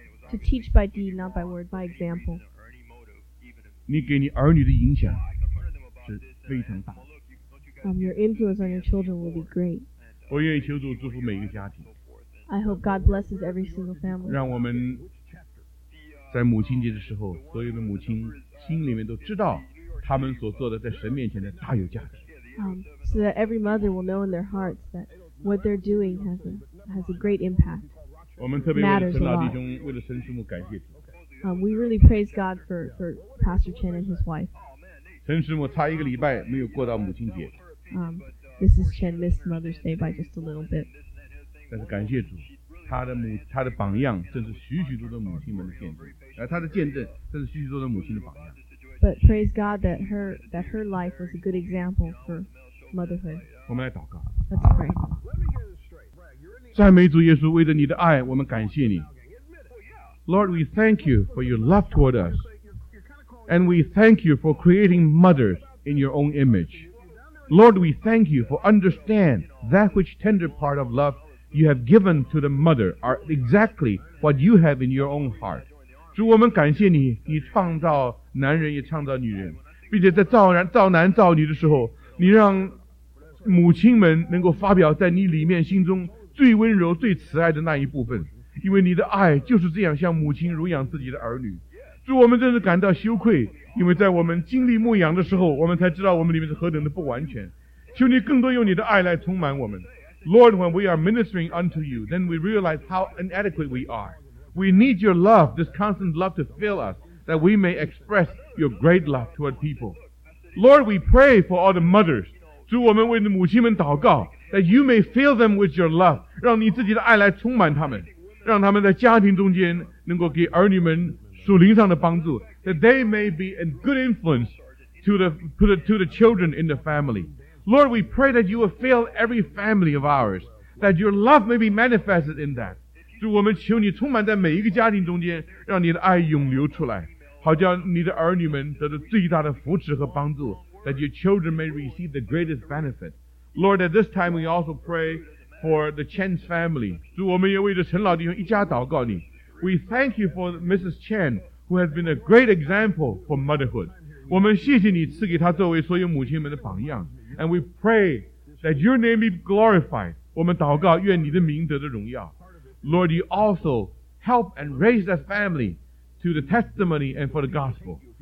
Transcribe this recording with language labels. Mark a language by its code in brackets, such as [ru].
[en] To teach by deed, not by word, by example. [zh] 你给你儿女的影响是非常大。 [en] Your influence on your children will be great. [zh] 我愿意求主祝福每一个家庭。 [en] I hope God blesses every single family. [zh] 让我们在母亲节的时候，所有的母亲心里面都知道他们所做的在神面前的大有价值。 [en] So that every mother will know in their hearts that what they're doing has a great impact. [zh] 我们特别为了陈老弟兄，为了陈师母感谢主。 [en] We really praise God for Pastor Chen and his wife. [zh] 陈师母差一个礼拜没有过到母亲节。 [en] Mrs. Chen missed Mother's Day by just a little bit. [zh] 但是感谢主，他的榜样正是许许多多母亲们的见证，他的见证正是许许多多母亲的榜样。 [en] But praise God that her life was a good example for motherhood. [zh] 我们来祷告。 [en] Let's pray. [zh] 赞美主耶稣，为着你的爱，我们感谢你。 [en] Lord, we thank you for your love toward us. And we thank you for creating mothers in your own image. Lord, we thank you for understand that which tender part of love you have given to the mother are exactly what you have in your own heart. [zh] 主，我们感谢你，你创造男人也创造女人，并且在造男造女的时候，你让母亲们能够发表在你里面心中最温柔最慈爱的那一部分，因为你的爱就是这样像母亲濡养自己的儿女。主，我们真是感到羞愧，因为在我们经历牧养的时候，我们才知道我们里面是何等的不完全。求你更多用你的爱来充满我们。 [en] Lord, when we are ministering unto you, then we realize how inadequate we are. We need your love, this constant love to fill us, that we may express your great love toward people. Lord, we pray for all the mothers. [zh] 主，我们为母亲们祷告， [en] that you may fill them with your love, [zh] 让你自己的爱来充满他们，让他们在家庭中间能够给儿女们属灵上的帮助， [en] that they may be a good influence to the children in the family. Lord, we pray that you will fill every family of ours, that your love may be manifested in that. [zh] 主，我们求你充满在每一个家庭中间，让你的爱涌流出来，好叫你的儿女们得到最大的扶持和帮助， [en] that your children may receive the greatest benefit. Lord, at this time we also pray for the Chen's family. [zh] 主，我们也为着陈老弟兄一家祷告你。 [en] We thank you for Mrs. Chen, who has been a great example for motherhood. [zh] 我们谢谢你赐给她作为所有母亲们的榜样。 [en] And we pray that your name be glorified. [zh] 我们祷告愿你的名得的荣耀。 [en] Lord, you also help and raise that family to the testimony and for the gospel.